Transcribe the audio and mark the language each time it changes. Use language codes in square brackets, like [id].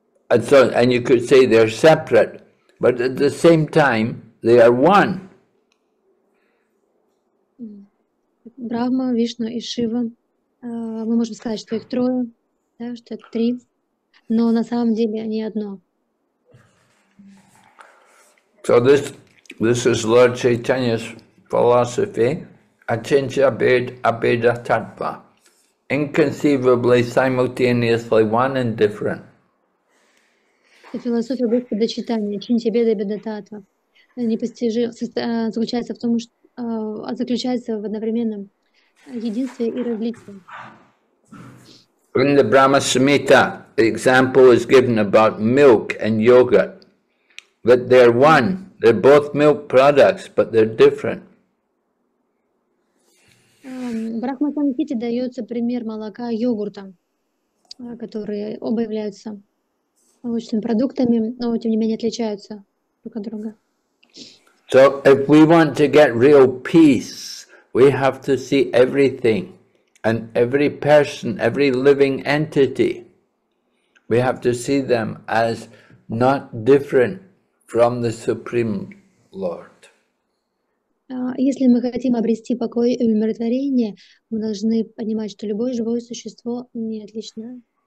[en] And so, and you could say they're separate, but at the same time, they are one. [ru] Брахма, Вишну и Шива. Мы можем сказать, что их трое, да, что это три, но на самом деле они одно. [en] So this is Lord Chaitanya's philosophy, Achintya Abheda Tattva, inconceivably simultaneously one and different. [ru] Философия Господа Читания, Чинтия Беда Беда Татва, заключается в том, что заключается в одновременном единстве и различии. [en] In the Brahma Samhita, the example is given about milk and yogurt, that they're one, they're both milk products, but they're different. [ru] В Брахма Самхите дается пример молока и йогурта, которые оба являются молочными продуктами, но тем не менее отличаются друг от друга. [en] So if we want to get real peace, we have to see everything and every person, every living entity. We have to see them as not different from the Supreme Lord. [ru] Если мы хотим обрести покой и умиротворение, мы должны понимать, что любое живое существо не отлично.